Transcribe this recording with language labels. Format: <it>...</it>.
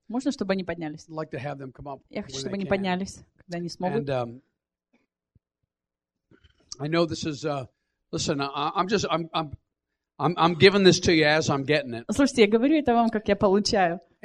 <ru>Можно, чтобы они поднялись?</ru> <en>Like to have them come up.</en> <ru>Я хочу, чтобы они поднялись, когда они смогут.</ru> <en>And I know this is listen, I'm giving this to you as I'm getting it.</en> <ru>Слушайте, я говорю это вам, как я получаю.</ru>